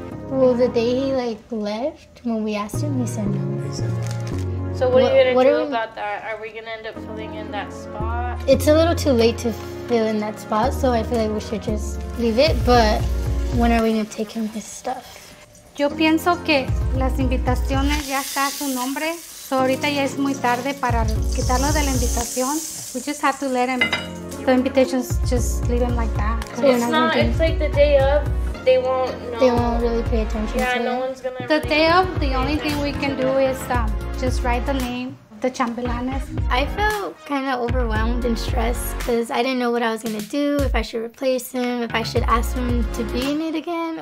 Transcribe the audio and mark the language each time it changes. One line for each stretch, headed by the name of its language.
English: Well, the day he like left, when we asked him, he said no. So what are we gonna do about that? Are we gonna end up filling in that spot? It's a little too late to fill in that spot, so I feel like we should just leave it, but when are we gonna take him his stuff?
Spanish: Yo pienso que las invitaciones ya está su nombre, so ahorita ya es muy tarde para quitarlo de la invitación.
English: We just have to let him, the invitations, just leave him like that. It's not, it's like the day of. They won't really pay attention to it. Yeah, no one's gonna really. The day of, the only thing we can do is just write the name, the chambelanes. I felt kind of overwhelmed and stressed because I didn't know what I was gonna do, if I should replace him, if I should ask him to be in it again.